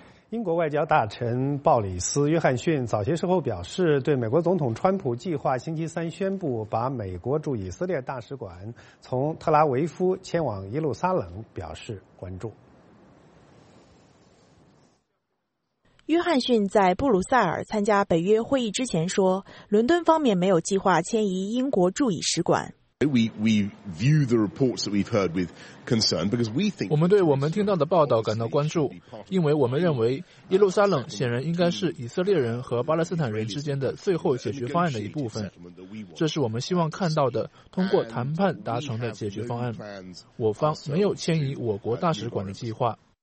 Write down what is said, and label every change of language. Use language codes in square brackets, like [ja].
[zh] 英国外交大臣鲍里斯·约翰逊早些时候表示，对美国总统川普计划星期三宣布把美国驻以色列大使馆从特拉维夫迁往耶路撒冷表示关注。约翰逊在布鲁塞尔参加北约会议之前说，伦敦方面没有计划迁移英国驻以使馆。 [en] We view the reports that we've heard with concern because we think [zh] 我们对我们听到的报道感到关注，因为我们认为耶路撒冷显然应该是以色列人和巴勒斯坦人之间的最后解决方案的一部分，这是我们希望看到的通过谈判达成的解决方案。我方没有迁移我国大使馆的计划。